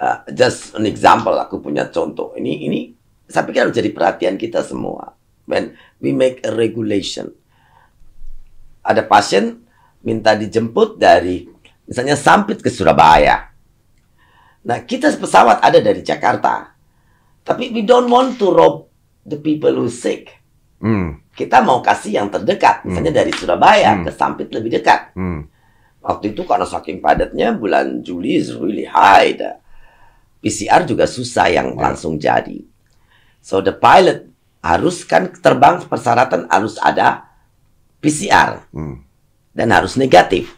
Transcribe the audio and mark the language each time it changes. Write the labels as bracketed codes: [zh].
[en] Just an example, [id] aku punya contoh. Ini saya pikir jadi perhatian kita semua. [en] When we make a regulation. [id] Ada pasien minta dijemput dari misalnya Sampit ke Surabaya. Nah, kita pesawat ada dari Jakarta. Tapi [en] we don't want to rob the people who sick. Mm. [id] Kita mau kasih yang terdekat. Misalnya dari Surabaya ke Sampit lebih dekat. Mm. Waktu itu karena saking padatnya, bulan Juli [en] is really high. [id] The PCR juga susah yang langsung jadi. [en] So the pilot [id] harus kan terbang, persyaratan harus ada PCR. Dan harus negatif.